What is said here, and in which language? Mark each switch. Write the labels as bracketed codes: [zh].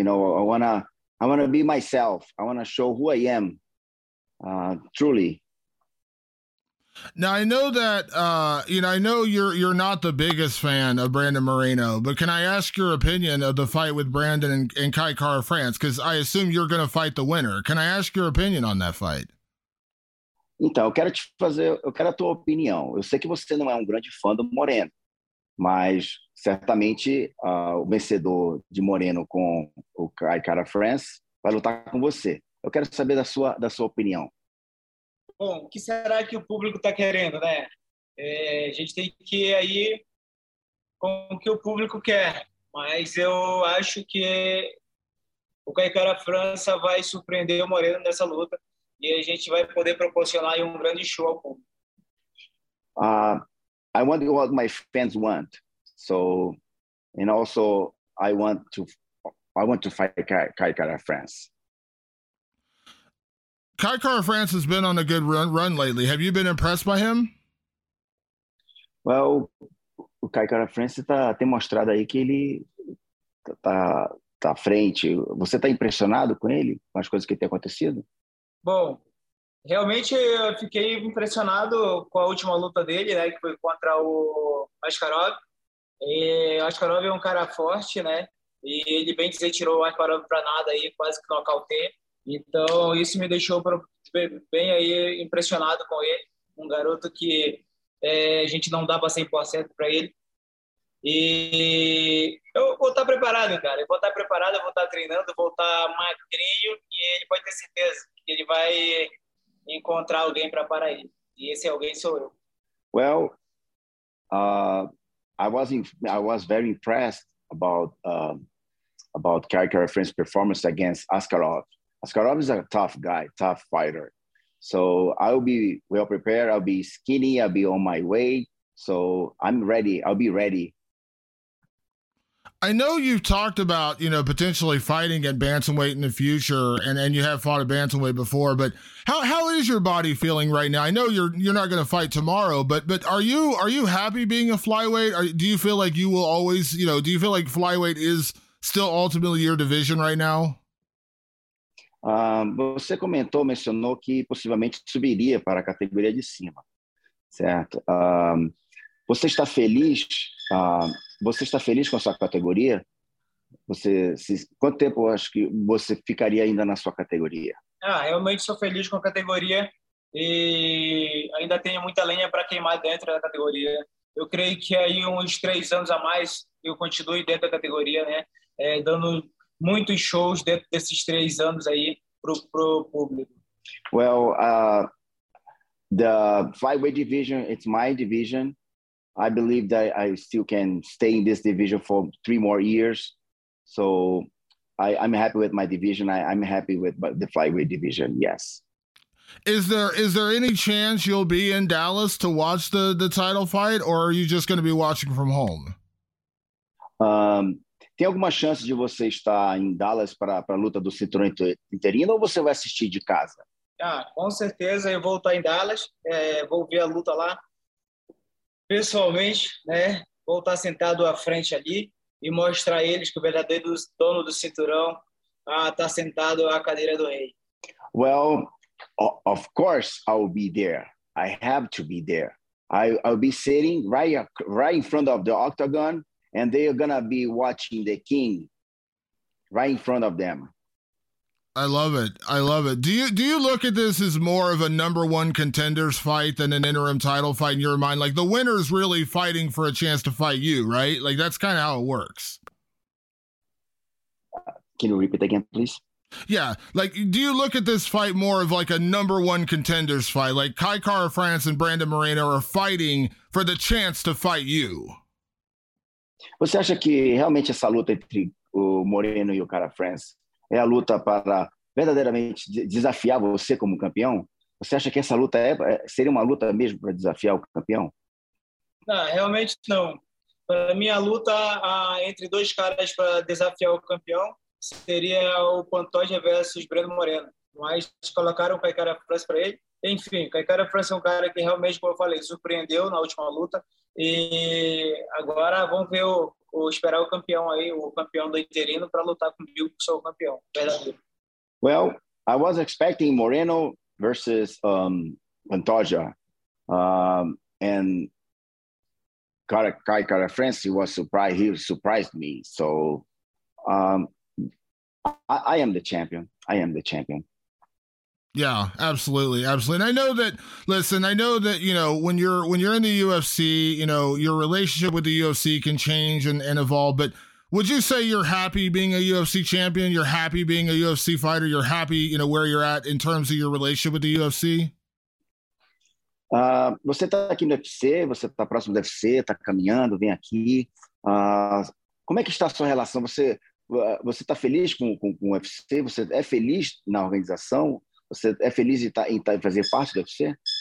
[en] You know, I wanna be myself. I wanna show who I am, truly. Now I know that you're not the biggest fan of Brandon Moreno, but can I ask your opinion of the fight with Brandon and Kai Kara France? Because I assume you're gonna fight the winner. Can I ask your opinion on that fight? [pt] Então, eu quero a tua opinião. Eu sei que você não é um grande fã do Moreno, mas certamente o vencedor de Moreno com o Kai Kara France vai lutar com você. Eu quero saber da sua opinião. Bom, o que será que o público está querendo, né? A gente tem que ir aí com o que o público quer, mas eu acho que o Kai Kara France vai surpreender o Moreno nessa luta. E a gente vai poder proporcionar um grande show ao público. [en] I want what my fans want. So, and also I want to fight Kai Kara France. Kai Kara France has been on a good run lately. Have you been impressed by him? [pt] Well, o Kai Kara France tem mostrado aí que ele tá à frente. Você tá impressionado com ele, com as coisas que tem acontecido? Bom, realmente eu fiquei impressionado com a última luta dele, né, que foi contra o Askarov. O Askarov é um cara forte, né, e ele bem dizer tirou o Askarov para nada aí, quase que nocauteou. Então isso me deixou bem aí impressionado com ele, um garoto que a gente não dava 100% para ele. E eu vou estar preparado, cara. Eu vou estar preparado, eu vou estar treinando, vou estar magrinho, e ele pode ter certeza que ele vai encontrar alguém para parar ele. E esse alguém sou eu. [en] Well, I was very impressed about Kai Kara France's performance against Askarov. Askarov is a tough guy, tough fighter. So I'll be well prepared. I'll be skinny. I'll be on my way. So I'm ready. I'll be ready. I know you've talked about, you know, potentially fighting at bantamweight in the future, and you have fought at bantamweight before, but how is your body feeling right now? I know you're not going to fight tomorrow, but are you happy being a flyweight? Do you feel like you will always, you know, do you feel like flyweight is still ultimately your division right now? [pt] Você mencionou que possivelmente subiria para a categoria de cima, certo? Você está feliz? Você está feliz com a sua categoria? Quanto tempo acho que você ficaria ainda na sua categoria? Ah, realmente sou feliz com a categoria e ainda tenho muita lenha para queimar dentro da categoria. Eu creio que aí uns 3 anos a mais eu continue dentro da categoria, né? É, dando muitos shows dentro desses 3 anos aí pro público. [en] Well, the flyweight division, it's my division. I believe that I still can stay in this division for 3 more years. So I'm happy with my division. I'm happy with the flyweight division. Yes. Is there any chance you'll be in Dallas to watch the title fight, or are you just going to be watching from home? [pt] Tem alguma chance de você estar em Dallas para a luta do cinturão interino, ou você vai assistir de casa? Ah, com certeza eu vou estar em Dallas, vou ver a luta lá pessoalmente, né? Vou estar sentado à frente ali e mostrar a eles que o verdadeiro dono do cinturão está sentado à cadeira do rei. [en] Well, of course I'll be there. I have to be there. I'll be sitting right in front of the octagon, and they are gonna be watching the king right in front of them. I love it. I love it. Do you look at this as more of a number one contenders fight than an interim title fight in your mind? Like the winner's really fighting for a chance to fight you, right? Like that's kind of how it works. Can you repeat again, please? Yeah, like do you look at this fight more of like a number one contenders fight? Like Kai Kara France and Brandon Moreno are fighting for the chance to fight you. [pt] Você acha que realmente essa luta entre o Moreno e o Cara France é a luta para verdadeiramente desafiar você como campeão? Você acha que essa luta seria uma luta mesmo para desafiar o campeão? Não, realmente não. Para mim, a luta entre dois caras para desafiar o campeão seria o Pantoja versus Breno Moreno. Mas colocaram o Kai Kara France para ele. Enfim, o Kai Kara France é um cara que realmente, como eu falei, surpreendeu na última luta. E agora vamos ver o esperar o campeão aí, o campeão do interino, para lutar comigo, que sou o campeão. Verdadeiro. [en] Well, I was expecting Moreno versus Pantoja, and Kai Kara France. He surprised me. So I am the champion. I am the champion. Yeah, absolutely, absolutely. And I know that, listen, I know that, when you're in the UFC, your relationship with the UFC can change and evolve, but would you say you're happy being a UFC champion? You're happy being a UFC fighter? You're happy, where you're at in terms of your relationship with the UFC? [pt] Você está aqui no UFC, você está próximo do UFC, está caminhando, vem aqui. Como é que está a sua relação? Você está feliz com o UFC? Você é feliz na organização? Você é feliz em fazer parte do UFC?